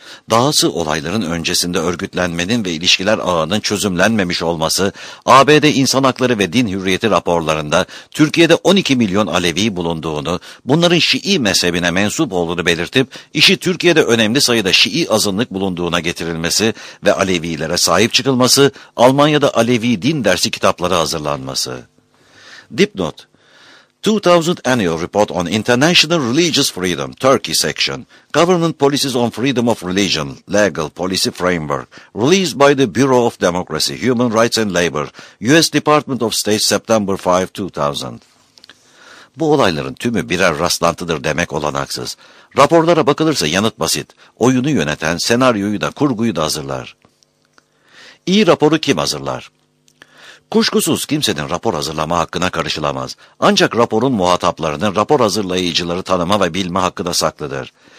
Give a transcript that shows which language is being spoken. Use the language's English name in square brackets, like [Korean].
[Turkish] Dahası olayların öncesinde örgütlenmenin ve ilişkiler ağının çözümlenmemiş olması, ABD İnsan Hakları ve Din Hürriyeti raporlarında Türkiye'de 12 milyon Alevi bulunduğunu, bunların Şii mezhebine mensup olduğunu belirtip, işi Türkiye'de önemli sayıda Şii azınlık bulunduğuna getirilmesi ve Alevilere sahip çıkılması, Almanya'da Alevi din dersi kitapları hazırlanması. [English] Dipnot 2000 Annual Report on International Religious Freedom, Turkey Section, Government Policies on Freedom of Religion, Legal Policy Framework, released by the Bureau of Democracy, Human Rights and Labor, U.S. Department of State, September 5, 2000. [Turkish] Bu olayların tümü birer rastlantıdır demek olanaksız. Raporlara bakılırsa yanıt basit. Oyunu yöneten, senaryoyu da, kurguyu da hazırlar. İyi raporu kim hazırlar? Kuşkusuz kimsenin rapor hazırlama hakkına karışılamaz. Ancak raporun muhataplarının rapor hazırlayıcıları tanıma ve bilme hakkı da saklıdır.